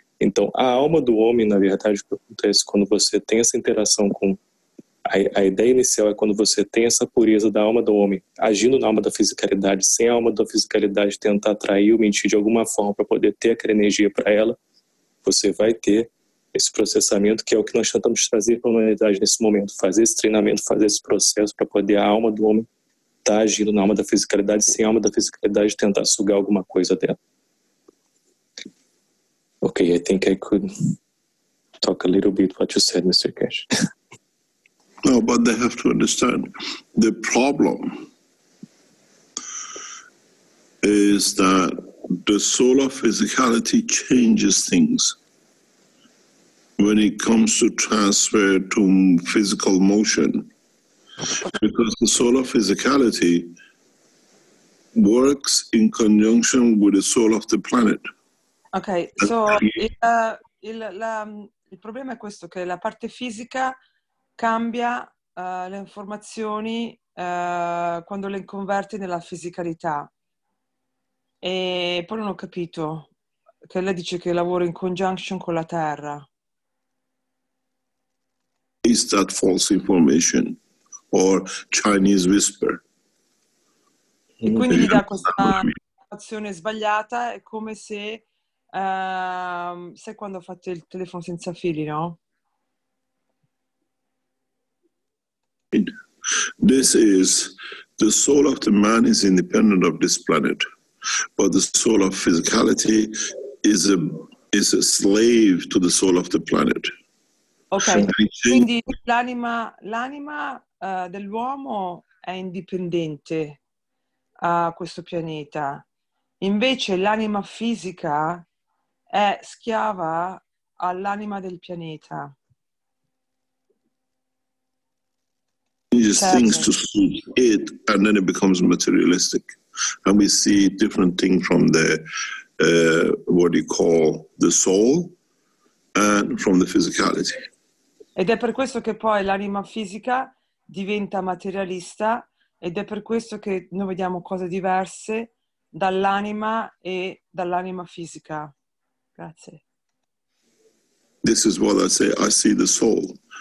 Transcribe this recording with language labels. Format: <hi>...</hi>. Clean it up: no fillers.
<pt>Então, a alma do homem, na verdade, o que acontece quando você tem essa interação com a ideia inicial é quando você tem essa pureza da alma do homem agindo na alma da fisicalidade, sem a alma da fisicalidade tentar atrair ou mentir de alguma forma para poder ter aquela energia para ela, você vai ter esse processamento que é o que nós tentamos trazer para a humanidade nesse momento, fazer esse treinamento, fazer esse processo para poder a alma do homem estar agindo na alma da fisicalidade, sem a alma da fisicalidade tentar sugar alguma coisa dela.</pt> <en>Ok, I think I could talk a little bit what you said, Mr. Cash. No, but they have to understand the problem is that the solar physicality changes things when it comes to transfer to physical motion, because the solar physicality works in conjunction with the soul of the planet.</en> <it>Okay, so il problema è questo, che la parte fisica cambia le informazioni quando le converte nella fisicalità. E poi non ho capito che lei dice che lavora in conjunction con la Terra.</it> <en>Is that false information or Chinese whisper?</en> <it>E quindi gli dà questa informazione sbagliata, è come se sai quando fate il telefono senza fili, no?</it> <en>This is the soul of the man is independent of this planet, but the soul of physicality is a slave to the soul of the planet.</en> <it>Okay, quindi l'anima dell'uomo è indipendente a questo pianeta, invece l'anima fisica è schiava all'anima del pianeta.</it> <en>Changes</en> <it>certo.</it> <en>Things to suit it, and then it becomes materialistic, and we see different things from the what you call the soul, and from the physicality.</en> <it>Ed è per questo che poi l'anima fisica diventa materialista, ed è per questo che noi vediamo cose diverse dall'anima e dall'anima fisica. Grazie.</it> <en>This is what I say, I see the soul.</en>